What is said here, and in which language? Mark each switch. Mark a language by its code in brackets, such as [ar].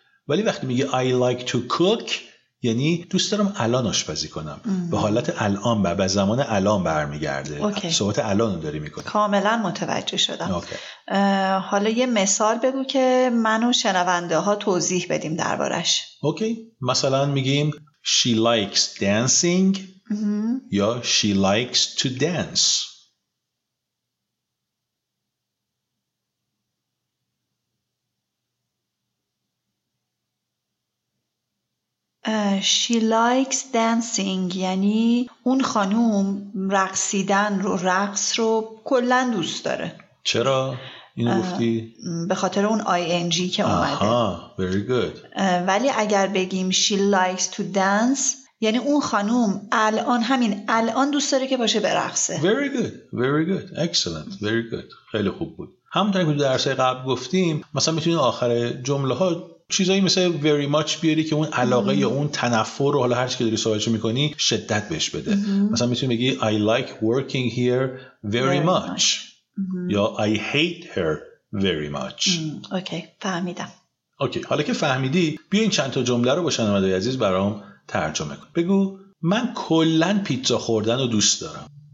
[fa] ولی وقتی میگه [en] I like to cook، [fa] یعنی دوست دارم الان آشپزی کنم. به حالت الان، به زمان الان برمیگرده. صحبت الان رو داری میکنه. کاملا متوجه شدم. اوکی. حالا یه مثال بگو که من و شنونده ها توضیح بدیم دربارش. اوکی. مثلا میگیم [en] She likes dancing یا She likes to dance. She likes dancing [fa] یعنی اون خانوم رقصیدن رو، رقص رو کلن دوست داره. چرا اینو گفتی؟ به خاطر اون ing که اومده. [en] Very good. [fa] ولی اگر بگیم [en] She likes to dance [fa] یعنی اون خانوم الان، همین الان دوست داره که باشه برقصه. [en] Very good. Very good. Excellent. Very good. [fa] خیلی خوب بود. همونطور که در سه قبل گفتیم، مثلا میتونید آخر جمله ها چیزایی مثل [en] very much [fa] بیاری که اون علاقه یا اون تنفر رو، حالا هر چی که داری صحبتش میکنی، شدت بهش بده. مثلا میتونی بگی [en] I like working here very much. یا I hate her very much. [fa] اوکی فهمیدم. اوکی حالا که فهمیدی، بیا این چند تا جمله رو با شنونده عزیز برام ترجمه کن. بگو من کلن پیتزا خوردن رو دوست دارم.